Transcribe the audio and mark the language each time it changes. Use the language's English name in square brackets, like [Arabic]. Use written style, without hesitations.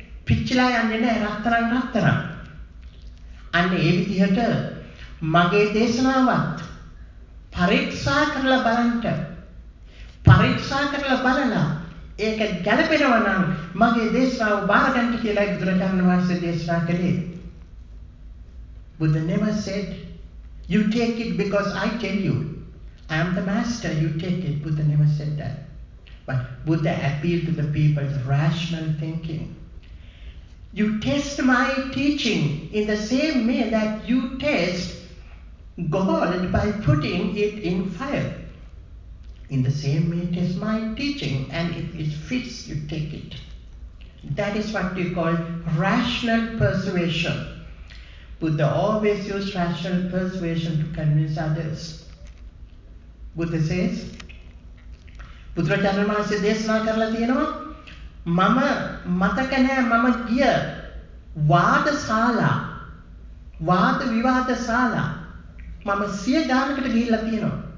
[Sinhala] පිච්චිලා යන්නේ නැහැ රත්තරන් රත්තරන්. අන්න ඒ විදිහට මගේ දේශනාවත් පරීක්ෂා කරලා බලන්න. පරීක්ෂා කරලා බලලා ඒක ගැළපෙනවා නම් මගේ දේශනාව බාර ගන්න කියලා බුදුරජාණන් වහන්සේ දේශනා කළේ. [English] Buddha never said, "You take it because I tell you. I am the master, you take it." Buddha never said that. But Buddha appealed to the people's rational thinking. You test my teaching in the same way that you test gold by putting it in fire. In the same way, test my teaching, and if it fits, you take it. That is what we call rational persuasion. Buddha always used rational persuasion to convince others. Buddha says, [Sinhala] බුදුරජාණන් වහන්සේ දේශනා කරලා තියෙනවා මම මතක නැහැ මම ගිය වාදශාලා වාද විවාද ශාලා මම සිය ගානකට ගිහිල්ලා තියෙනවා.